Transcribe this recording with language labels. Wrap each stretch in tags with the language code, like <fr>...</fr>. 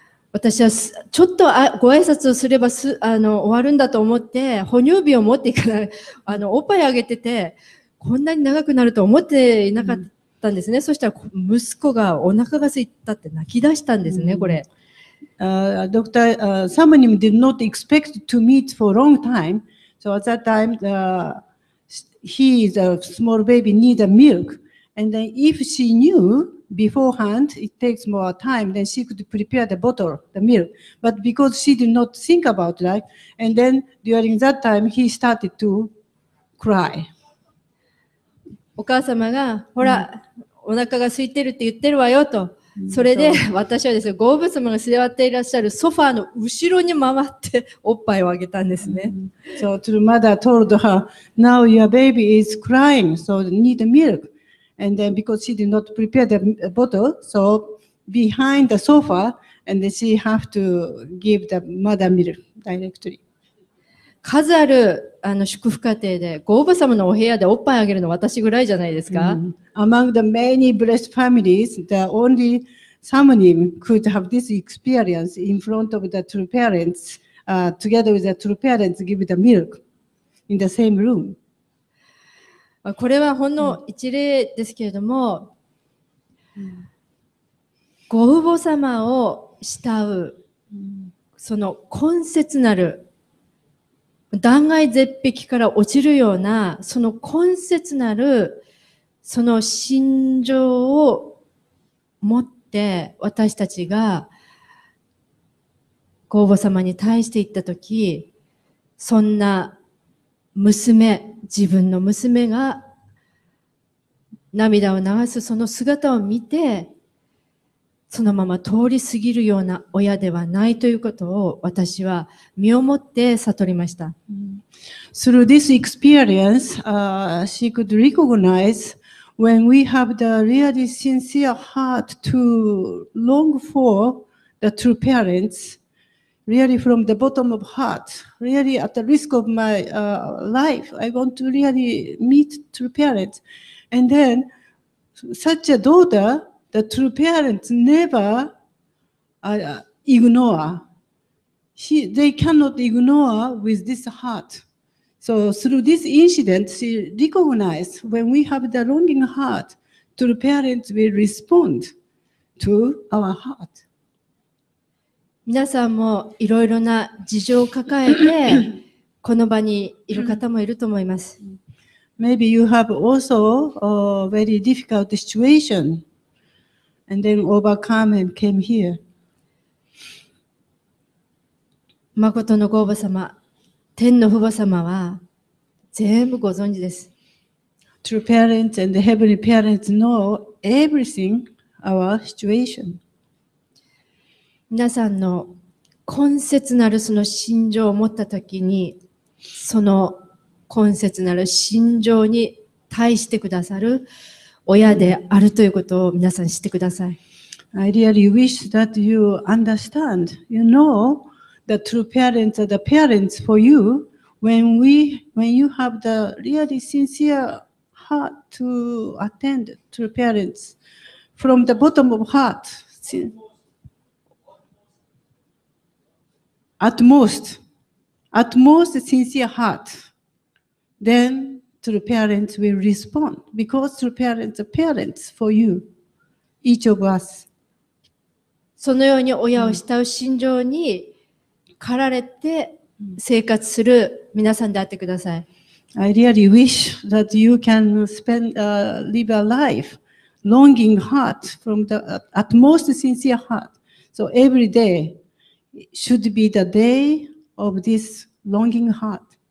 <ja>私はちょっとご挨拶をすればすあの終わるんだと思って、哺乳瓶を持っていかない、あのおっぱいあげてて、こんなに長くなると思っていなかったんですね。そしたら息子がお腹が空いたって泣き出したんですね、これ。</ja> <en>Dr. Samanim did not expect to meet for a long time. So at that time, he is a small baby, need a milk. And then if she knew beforehand, it takes more time, then she could prepare the bottle, the milk. But because she did not think about that, and then during that time, he started to cry.</en> <ja>お母様が、ほら、お腹が空いてるって言ってるわよと。それで私はですね、ゴーブ様が座っていらっしゃるソファーの後ろに回っておっぱいをあげたんですね。</ja> <en>So, true mother told her, now your baby is crying, so need milk. And then because she did not prepare the bottle, so behind the sofa, and she have to give the mother milk directly.</en> <ja>数あるあの祝福家庭で、ゴーブ様のお部屋でおっぱいあげるの私ぐらいじゃないですか。</ja> <en>Among the many blessed families, the only Samanim could have this experience in front of the true parents, together with the true parents, give the milk in the same room.</en> <ja>これはほんの一例ですけれども、ご父母様を慕う、その懇切なる、断崖絶壁から落ちるような、その懇切なる、その心情を持って私たちが御母様に対して行ったとき、そんな娘、自分の娘が涙を流すその姿を見て、そのまま通り過ぎるような親ではないということを私は身をもって悟りました。</ja> <en>Through this experience, she could recognize when we have the really sincere heart to long for the true parents, really from the bottom of heart, really at the risk of my life, I want to really meet true parents. And then, such a daughter, the true parents never ignore. They cannot ignore with this heart. So through this incident, she recognized when we have the longing heart, true parents will respond to our heart.</en> <ja>皆さんもいろいろな事情を抱えてこの場にいる方もいると思います。</ja> <en>Maybe you have also a very difficult situation and then overcome and came here.</en> <ja>誠の御母様、天の父母様は全部ご存知です。</ja> <en>True parents and the heavenly parents know everything, our situation.</en> <ja>皆さんの懇切なるその心情を持ったときに、その懇切なる心情に対してくださる親であるということを皆さん知ってください。</ja> <en>I really wish that you understand, you know,The true parents are the parents for you. When you have the really sincere heart to attend true parents from the bottom of heart, at most, at most a sincere heart, then through parents will respond. Because through parents are parents for you, each of us.</en> <ja>そのように親を慕う心情に駆られて生活する皆さんであってください。</ja> <en>I really wish that you can spend, live a life, longing heart from the at most sincere heart. So every day should be the day of this longing heart.</en>